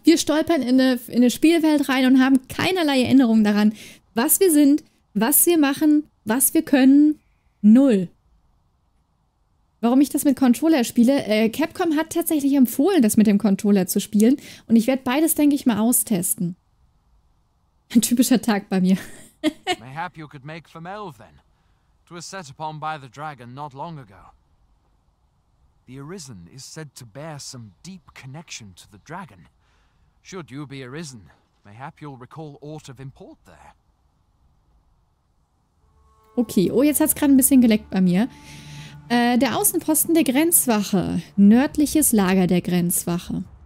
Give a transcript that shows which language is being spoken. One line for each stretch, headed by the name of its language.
German: Wir stolpern in eine Spielwelt rein und haben keinerlei Erinnerung daran, was wir sind, was wir machen, was wir können. Null. Warum ich das mit Controller spiele? Capcom hat tatsächlich empfohlen, das mit dem Controller zu spielen. Und ich werde beides, denke ich, mal austesten. Ein typischer Tag bei mir.
English: Mayhap you could make for Melv then. It was set upon by the dragon not long ago. The Arisen is said to bear some deep connection to the dragon. Should you be Arisen, mayhap you'll recall aught of import there.
German: Okay, oh, jetzt hat's gerade ein bisschen geleckt bei mir. Der Außenposten der Grenzwache. Nördliches Lager der Grenzwache.